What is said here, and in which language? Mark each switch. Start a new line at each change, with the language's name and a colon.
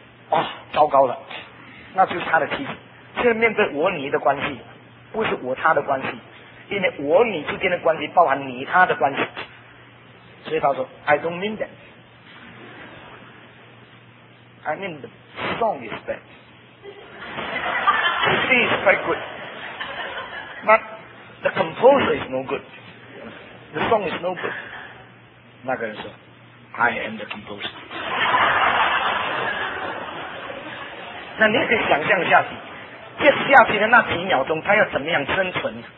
Chinese: 哇，糟糕了，那就是他的妻子。现在面对我你的关系，不是我他的关系，因为我你之间的关系包含你他的关系，所以他说
English: I don't mean that， I mean the song is bad。 She is quite good, but the composer is no good. The song is no good.
Chinese: 那个人说 ，
English: I am the composer.
Chinese: 那你可以想象一下，接下去的那几秒钟，他要怎么样生存？